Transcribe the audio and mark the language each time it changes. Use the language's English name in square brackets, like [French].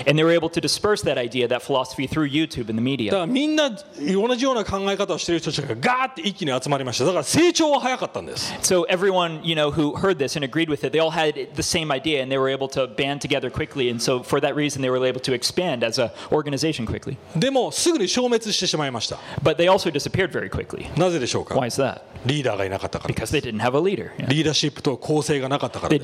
[English] And they were able to disperse that idea, that philosophy, through YouTube and the media. [Japanese] だからみんな同じような考え方をしている人たちがガーッて一気に集まりました。だから成長は早かったんです。 [English] So everyone, you know, who heard this and agreed with it, they all had the same idea, and they were able to band together quickly. And so for that reason, they were able to expand as an organization quickly. [Japanese] でもすぐに消滅してしまいました。 [English] But they also disappeared very quickly. [Japanese] なぜでしょうか? [English] Why is that? [Japanese] リーダーがいなかったからです。 [English] Because they didn't have a leader. [Japanese] リーダーシップと構成がなかったからです。